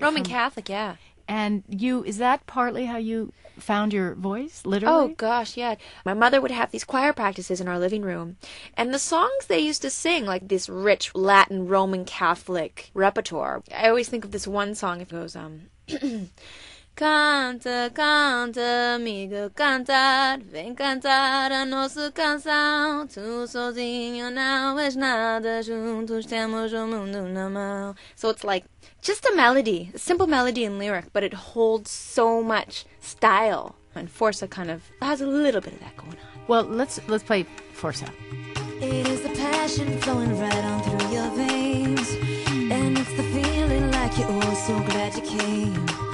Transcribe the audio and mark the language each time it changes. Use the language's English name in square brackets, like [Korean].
[English] Roman Catholic, yeah. And you, is that partly how you found your voice, literally? Oh, gosh, yeah. My mother would have these choir practices in our living room. And the songs they used to sing, like this rich Latin Roman Catholic repertoire, I always think of this one song. [Portuguese] It goes, Canta, canta, amigo, cantar, vem cantar a nossa canção. Tu sozinho não és nada, juntos temos o mundo na mão. [English] So it's like just a melody, a simple melody and lyric, but it holds so much style. And Forza kind of has a little bit of that going on. Well, let's play Forza. It is the passion flowing right on through your veins. And it's the feeling like you're all so glad you came.